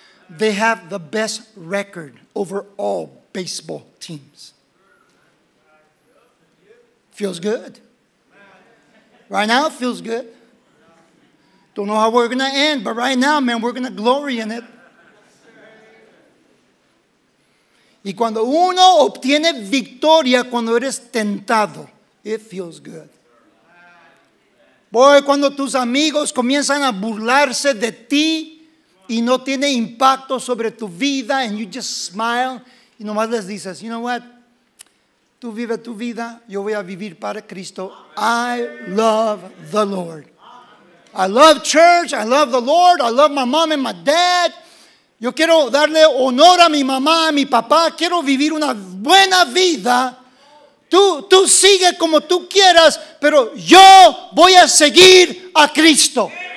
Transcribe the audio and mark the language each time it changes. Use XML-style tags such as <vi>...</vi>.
<en>They have the best record over all baseball teams. Feels good. Right now, it feels good. Don't know how we're going to end, but right now, man, we're going to glory in it.</en> <es>Y cuando uno obtiene victoria, cuando eres tentado,</es> <en>it feels good.</en> <es>Boy, cuando tus amigos comienzan a burlarse de ti y no tiene impacto sobre tu vida,</es> <en>and you just smile,</en> <es>y nomás les dices,</es> <en>you know what?</en> <es>Tú vive tu vida, yo voy a vivir para Cristo.</es> <en>I love the Lord. I love church, I love the Lord, I love my mom and my dad.</en> <es>Yo quiero darle honor a mi mamá, a mi papá. Quiero vivir una buena vida. Tú sigue como tú quieras, pero yo voy a seguir a Cristo.</es>